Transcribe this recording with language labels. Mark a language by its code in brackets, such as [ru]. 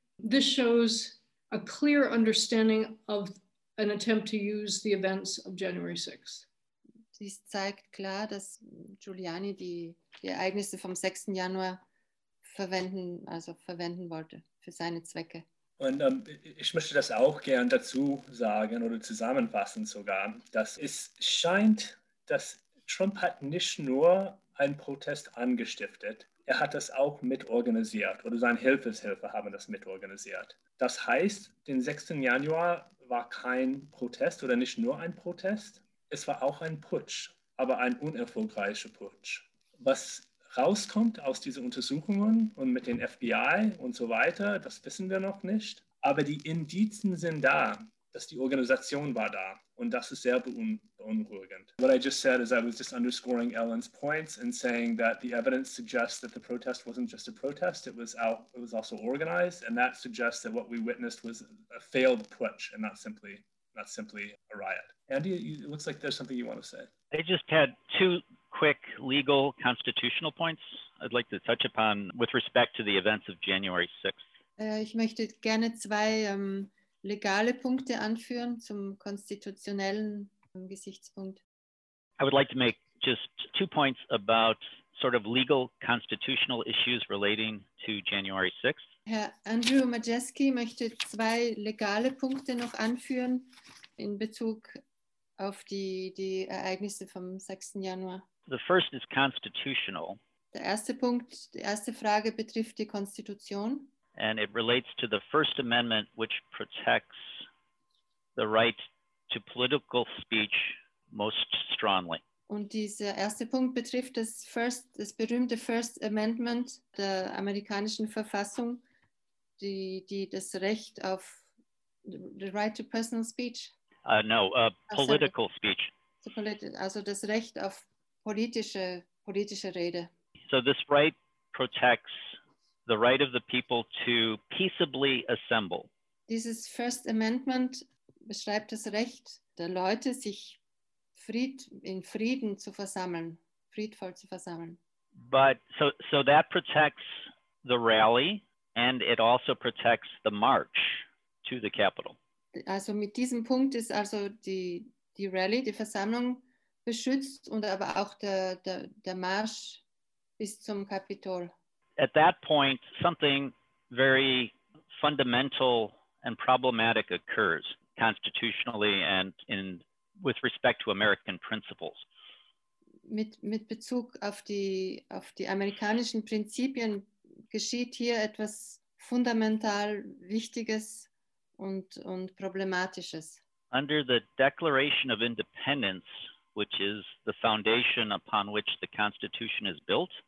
[en] This shows a clear understanding of an attempt to use the events of January 6th. [de] Dies zeigt klar, dass Giuliani die Ereignisse vom 6. Januar verwenden wollte für seine Zwecke. Und ich möchte das auch gern dazu sagen oder zusammenfassen sogar, dass es scheint, dass Trump hat nicht nur einen Protest angestiftet, er hat das auch mitorganisiert oder seine Hilfeshelfer haben das mitorganisiert. Das heißt, den 6. Januar war kein Protest oder nicht nur ein Protest, es war auch ein Putsch, aber ein unerfolgreicher Putsch. Was rauskommt aus diesen Untersuchungen und mit den FBI und so weiter, das wissen wir noch nicht. Aber die Indizien sind da, dass die Organisation war da. Und das ist sehr beunruhigend. [en] What I just said is I was just underscoring Ellen's points and saying that the evidence suggests that the protest wasn't just a protest, it was also organized. And that suggests that what we witnessed was a failed putsch and not simply a riot. Andy, it looks like there's something you want to say. I just had two quick legal constitutional points I'd like to touch upon with respect to the events of January 6th. [de] Ich möchte gerne zwei legale Punkte anführen zum konstitutionellen Gesichtspunkt. [en] I would like to make just two points about sort of legal constitutional issues relating to January 6th. [de] Herr Andrew Majewski möchte zwei legale Punkte noch anführen in Bezug auf die Ereignisse vom 6. Januar. [en] The first is constitutional. [de] Der erste Punkt, die erste Frage betrifft die Konstitution. [en] And it relates to the First Amendment, which protects the right to political speech most strongly. [de] Und dieser erste Punkt betrifft das berühmte First Amendment der amerikanischen Verfassung, die das Recht auf [en] the right to personal speech. Political speech. [de] Also das Recht auf politische Rede. [en] So this right protects the right of the people to peaceably assemble. [de] Dieses First Amendment beschreibt das Recht der Leute, sich friedvoll zu versammeln. [en] But so that protects the rally and it also protects the march to the Capitol. [de] Also mit diesem Punkt ist also die Rallye, die Versammlung beschützt und aber auch der Marsch bis zum Kapitol. [en] At that point, something very fundamental and problematic occurs constitutionally and in with respect to American principles. [de] Mit Bezug auf die amerikanischen Prinzipien geschieht hier etwas fundamental Wichtiges und Problematisches. [en] Under the Declaration of Independence, which is the foundation upon which the Constitution is built,